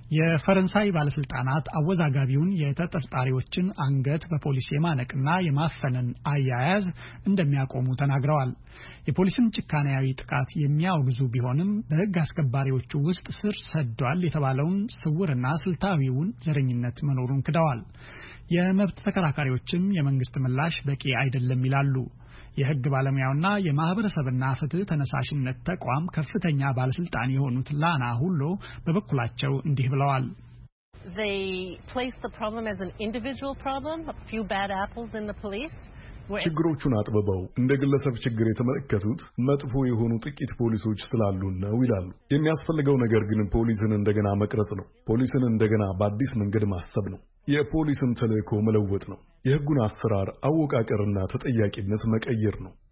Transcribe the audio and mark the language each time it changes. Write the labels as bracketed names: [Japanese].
[Amharic] የፈረንሳይ ባለስልጣናት አወዛጋቢውን የተጠርጣሪዎችን አንገት በፖሊስ የማነቅና የማፈንን አያያዝ እንደሚያቆሙ ተናግረዋል። የፖሊስን ጭካኔያዊ ጥቃት የሚያወግዙ ቢሆንም በሕግ አስከባሪዎቹ ውስጥ ስር ሰዷል የተባለውን ስውርና ስልታዊውን ዘረኝነት መኖሩን ክደዋል። የመብት ተከራካሪዎችም የመንግስት ምላሽ በቂ አይደለም ይላሉ። የሕግ ባለሙያውና የማህበረሰብና ፍትህ ተነሳሽነት ተቋም ከፍተኛ ባለስልጣን የሆኑት ላና ሁሉ በበኩላቸው እንዲህ ብለዋል። [English] They place the problem as an individual problem, a few bad apples in the police. [Amharic] ችግሮቹን አጥብበው እንደ ግለሰብ ችግር የተመለከቱት መጥፎ የሆኑ ጥቂት ፖሊሶች ስላሉ ነው ይላሉ። የሚያስፈልገው ነገር ግን ፖሊስን እንደገና መቅረጽ ነው። ፖሊስን እንደገና በአዲስ መንገድ ማሰብ ነው። የፖሊስን ተልእኮ መለወጥ ነው። የሕጉን አሰራር አወቃቀርና ተጠያቂነት መቀየር ነው።